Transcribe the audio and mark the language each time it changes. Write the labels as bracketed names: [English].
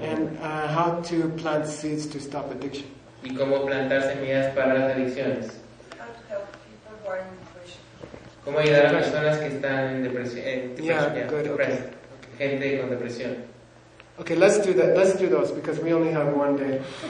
[English] And how to plant seeds to stop addiction. [Spanish] ¿Y cómo plantar semillas para las adicciones? [English] How to help people who are in depression. [Spanish] ¿Cómo ayudar a personas que están en depresión? [English] Okay. [Spanish] Gente con depresión. [English] Okay, let's do that. Let's do those because we only have one day.